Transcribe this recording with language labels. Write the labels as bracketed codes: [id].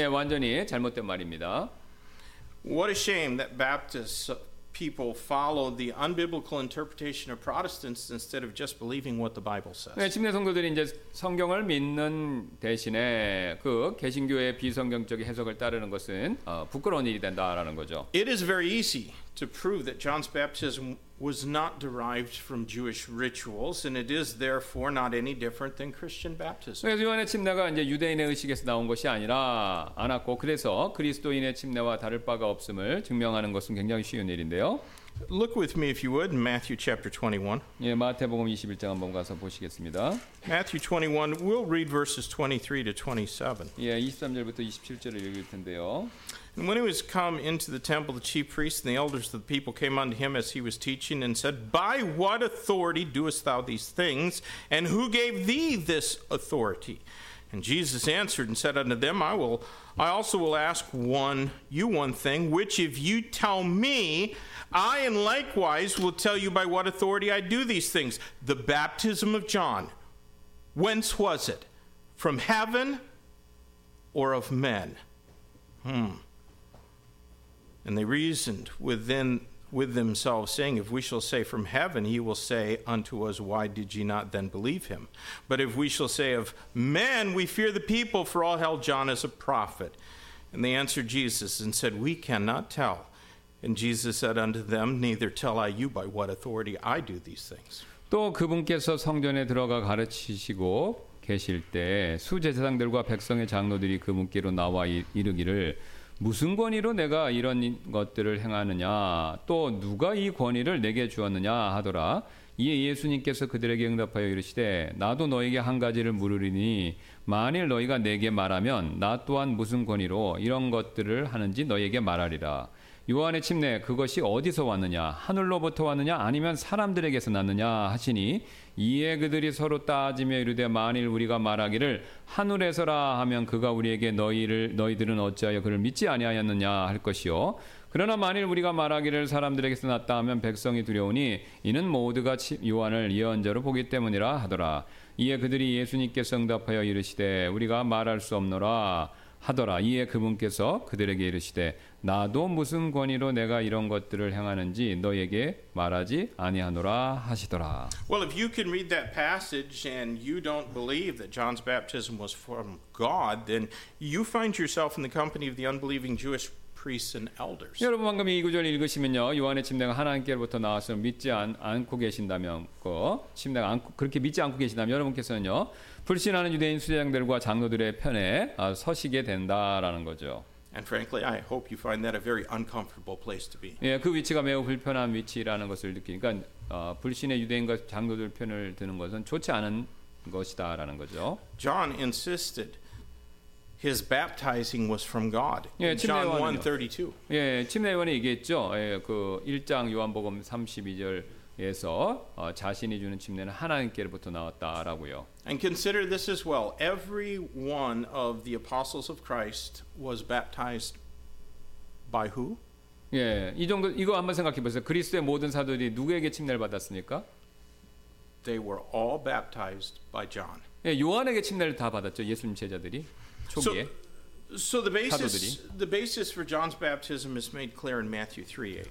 [ko] 예, 완전히 잘못된 말입니다. [en] What a shame that Baptists people followed the unbiblical interpretation of Protestants instead of just believing what the Bible says. [ko] 예, 침례 성도들이 이제 성경을 믿는 대신에 그 개신교의 비성경적인 해석을 따르는 것은 부끄러운 일이 된다라는 거죠. [en] It is very easy to prove that John's baptism was not derived from Jewish rituals, and it is therefore not any different than Christian baptism. [ko] 요한의 침례가 이제 유대인의 의식에서 나온 것이 아니라 않았고 그래서 그리스도인의 침례와 다를 바가 없음을 증명하는 것은 굉장히 쉬운 일인데요. [en] Look with me, if you would, in Matthew chapter 21. [ko] 예, 마태복음 21장 한번 가서 보시겠습니다. [en] Matthew 21, we'll read verses 23 to 27. [ko] 예, 23절부터 27절을 읽을 텐데요. [en] And when he was come into the temple, the chief priests and the elders of the people came unto him as he was teaching and said, By what authority doest thou these things? And who gave thee this authority? And Jesus answered and said unto them, I also will ask one thing, which if you tell me, I and likewise will tell you by what authority I do these things. The baptism of John, whence was it? From heaven or of men? And they reasoned with themselves, saying, If we shall say from heaven, he will say unto us, Why did ye not then believe him? But if we shall say of men, we fear the people, for all held John as a prophet. And they answered Jesus and said, We cannot tell. And Jesus said unto them, Neither tell I you by what authority I do these things. [ko] 또 그분께서 성전에 들어가 가르치시고 계실 때 수제사장들과 백성의 장로들이 그분께로 나와 이르기를 무슨 권위로 내가 이런 것들을 행하느냐 또 누가 이 권위를 내게 주었느냐 하더라 이에 예수님께서 그들에게 응답하여 이르시되 나도 너에게 한 가지를 물으리니 만일 너희가 내게 말하면 나 또한 무슨 권위로 이런 것들을 하는지 너희에게 말하리라 요한의 침례 그것이 어디서 왔느냐 하늘로부터 왔느냐 아니면 사람들에게서 났느냐 하시니 이에 그들이 서로 따지며 이르되 만일 우리가 말하기를 하늘에서라 하면 그가 우리에게 너희들은 어찌하여 그를 믿지 아니하였느냐 할 것이요 그러나 만일 우리가 말하기를 사람들에게서 났다 하면 백성이 두려우니 이는 모두가 요한을 예언자로 보기 때문이라 하더라 이에 그들이 예수님께서 응답하여 이르시되 우리가 말할 수 없노라 하더라 이에 그분께서 그들에게 이르시되 나도 무슨 권위로 내가 이런 것들을 행하는지 너에게 말하지 아니하노라 하시더라. [en] Well, if you can read that passage and you don't believe that John's baptism was from God, then you find yourself in the company of the unbelieving Jewish priests and elders. [ko] 여러분 방금 이 구절을 읽으시면요, 요한의 침례가 하나님께로부터 나왔음 믿지 않고 계신다면 그 침례가 그렇게 믿지 않고 계신다면 여러분께서는요. 불신하는 유대인 수제장들과 장로들의 편에 서시게 된다라는 거죠. [en] And frankly, I hope you find that a very uncomfortable place to be. [ko] 예, 그 위치가 매우 불편한 위치라는 것을 느끼니까 불신의 유대인과 장로들 편을 드는 것은 좋지 않은 것이다라는 거죠. [en] John insisted his baptizing was from God. [ko] 예, [en] John 1:32. [ko] 예, 침례원이 얘기했죠. 예, 그 1장 요한복음 32절. 에서 자신이 주는 침례는 하나님께로부터 나왔다라고요. [en] And consider this as well. Every one of the apostles of Christ was baptized by who? [ko] 예, 이 정도 이거 한번 생각해 보세요. 그리스도의 모든 사도들이 누구에게 침례를 받았습니까? [en] They were all baptized by John. [ko] 예, 요한에게 침례를 다 받았죠. 예수님 제자들이 초기에. [en] So the basis for John's baptism is made clear in Matthew 3:8.